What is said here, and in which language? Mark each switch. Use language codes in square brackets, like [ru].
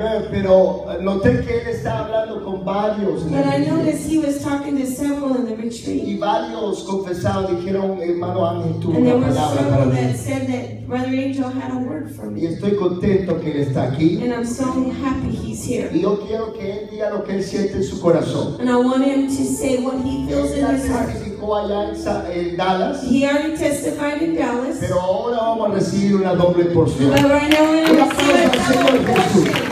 [es] Pero noté que él estaba hablando con varios. [en] But I noticed he was talking to several in the retreat. [es] Y varios confesados dijeron, hermano Ángel, tú una palabra para mí. [en] And there were several that said that Brother Angel had a word for me. [es] Y estoy contento que él está aquí. [en] And I'm so happy he's here. [es] Y yo quiero que él diga lo que él siente en su corazón. [en] And I want him to say what he feels in his heart. [es] Allá en Dallas. [en] He already testified in Dallas. [es] Pero ahora vamos a recibir una doble porción. [en] But right now we're going to receive a double portion.